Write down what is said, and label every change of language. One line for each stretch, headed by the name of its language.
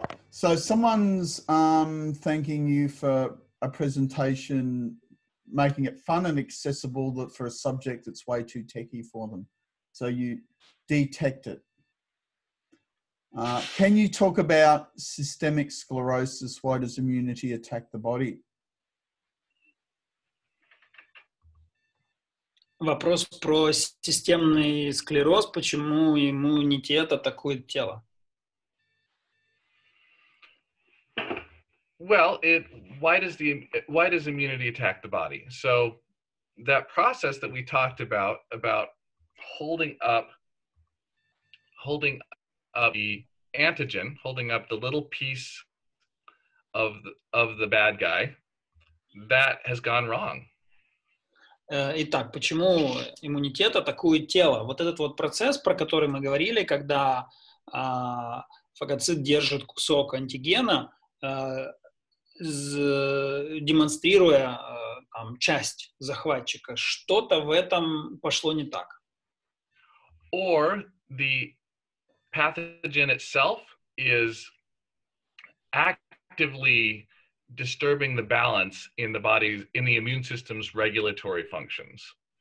English: So someone's thanking you for a presentation, making it fun and accessible that for a subject that's way too techie for them. So you detect it. Can you talk about systemic sclerosis? Why does immunity attack the body?
Russian: Вопрос про системный склероз, почему иммунитет атакует тело?
English: Well, why does immunity attack the body? So that process that we talked about holding up the antigen, holding up the little piece of the bad guy, that has gone wrong.
Russian: Итак, почему иммунитет атакует тело? Вот этот вот процесс, про который мы говорили, когда фагоцит держит кусок антигена, демонстрируя там, часть захватчика, что-то в этом пошло не так.
English: Or the pathogen itself is actively disturbing the balance in the body's, in the immune system's regulatory functions.